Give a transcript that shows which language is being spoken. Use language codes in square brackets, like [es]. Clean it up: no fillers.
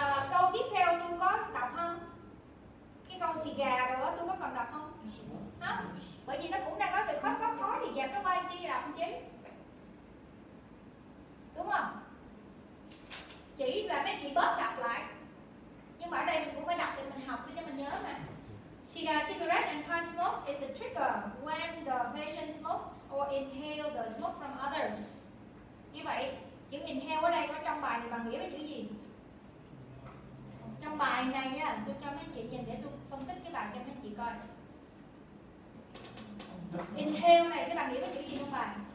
[vi] Câu tiếp theo tôi có đọc không? Cái câu xì gà rồi đó, tôi có còn đọc không? Bởi vì nó cũng đang nói về khó khó khó thì dẹp nó qua chi là không chính. Đúng không? Chỉ là mấy chị bớt đọc lại. Nhưng mà ở đây mình cũng phải đọc thì mình học cho mình nhớ mà. [en] Cigarette and pipe smoke is a trigger when the patient smokes or inhale the smoke from others. [vi] Như vậy, chữ inhale ở đây có trong bài này bằng nghĩa với chữ gì? Trong bài này nha, tôi cho mấy chị nhìn để tôi phân tích cái bài cho mấy chị coi. Inhale này sẽ bằng nghĩa với chữ gì không bà?